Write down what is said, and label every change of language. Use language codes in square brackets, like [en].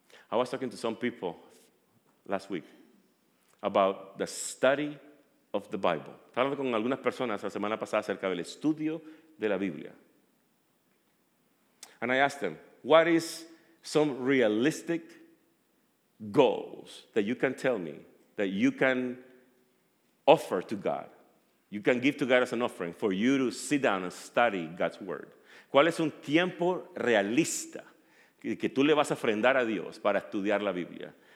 [en] I was talking to some people last week about the study of the Bible. [es] Estaba hablando con algunas personas la semana pasada acerca del estudio de la Biblia. [en] And I asked them, what is some realistic goals that you can tell me that you can offer to God? You can give to God as an offering for you to sit down and study God's word. [es] ¿Cuál es un tiempo realista que tú le vas a ofrendar a Dios para estudiar la Biblia?